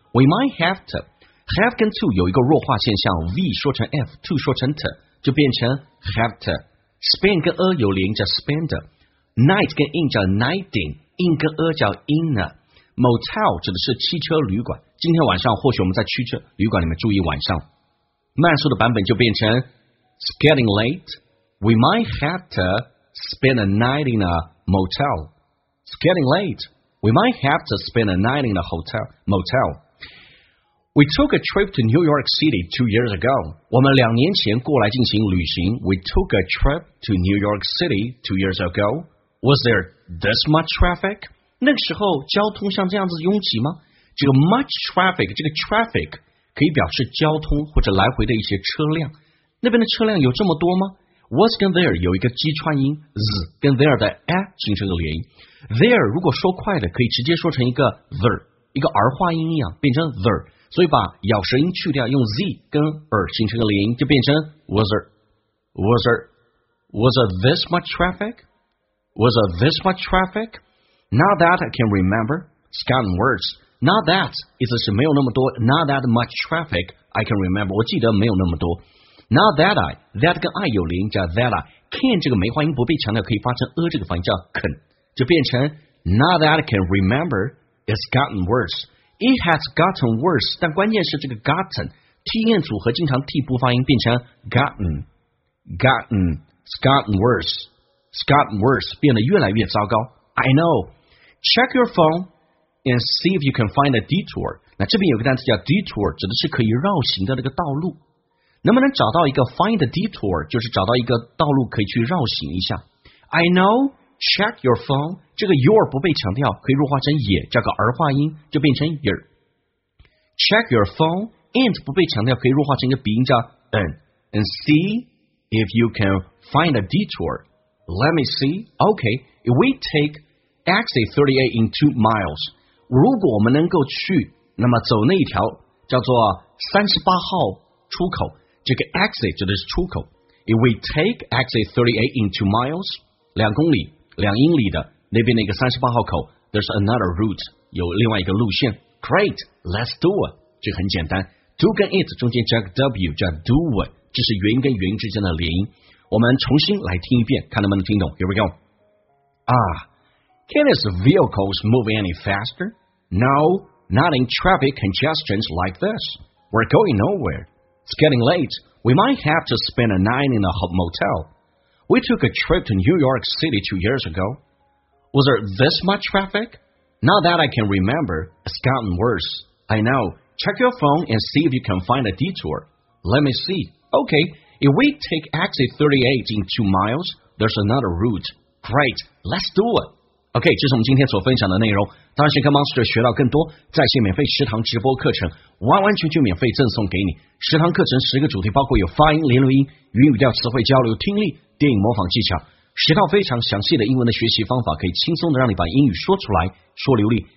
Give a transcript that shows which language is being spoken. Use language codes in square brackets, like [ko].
[en] We might have to [zh] have 跟 to 有一个弱化现象， V 说成 F， to 说成 t， 就变成 have toSpend 跟有连叫 spender， night 跟 in 叫 nighting， in 跟叫 inner。 Motel 指的是汽车旅馆，今天晚上或许我们在汽车旅馆里面住一晚上。慢速的版本就变成 [en] It's getting late. We might have to spend a night in a motel. It's getting late. We might have to spend a night in a motel. We took a trip to New York City 2 years ago. [zh] 我们两年前过来进行旅行。 [en] We took a trip to New York City 2 years ago. Was there this much traffic? [zh] 那个时候交通像这样子拥挤吗？这个 much traffic， 这个 traffic 可以表示交通或者来回的一些车辆。那边的车辆有这么多吗？Was 跟 there 有一个击穿音， z 跟 there 的 a 形成个连音。 There 如果说快的可以直接说成一个 there， 一个儿化音一样变成 there，所以把咬舌音去掉，用 z 跟 r 形成个连音，就变成 [en] Was there this much traffic? Not that I can remember. It's gotten worse. [zh] Not that 意思是没有那么多。 [en] Not that much traffic I can remember. [zh] 我记得没有那么多。 Not that I that 跟 I 有连音叫 that I can 这个梅花音不被强调，可以发成这个发音叫 can， 就变成 [en] Not that I can remember. It's gotten worse. It has gotten worse， [zh] 但关键是这个 gotten TN 组合经常 T 不发音，变成 gotten worse， 变得越来越糟糕。 [en] I know， check your phone and see if you can find a detour。 [zh] 那这边有个单词叫 detour， 指的是可以绕行的那个道路。能不能找到一个 [en] find a detour， [zh] 就是找到一个道路可以去绕行一下。 [en] I know check your phone， [zh] 这个 your 不被强调，可以弱化成也，加个儿化音就变成 your。 check your phone and 不被强调，可以弱化成一个鼻音叫 [en] and see if you can find a detour。 Let me see。 OK， if we take exit 38 in 2 miles， [zh] 如果我们能够去，那么走那一条叫做38号出口，这个 exit 就是出口。 [en] If we take exit 38 in 2 miles， [zh] 2英里的那边那个38号口， [en] there's another route， [zh] 有另外一个路线。 [en] Great， let's do it， [zh] 这很简单。 do 跟 it 中间加个 w 叫 do it， 这是元音跟元音之间的连音。我们重新来听一遍，看能不能听懂。 [en] Here we go。 Can his vehicles move any faster？ No， not in traffic congestions like this。 We're going nowhere。 It's getting late. We might have to spend a night in a motel. We took a trip to New York City 2 years ago. Was there this much traffic? Not that I can remember. It's gotten worse. I know. Check your phone and see if you can find a detour. Let me see. Okay, if we take exit 38 in 2 miles, there's another route. Great, let's do it. [zh] Okay, 这是我们今天所分享的内容。当然想跟 Monster 学到更多在线免费食堂直播课程，完完全全免费赠送给你。食堂课程10个主题，包括有发音、连读音、语音语调、词汇交流、听力、电影模仿技巧，10套非常详细的英文的学习方法，可以轻松的让你把英语说出来说流利。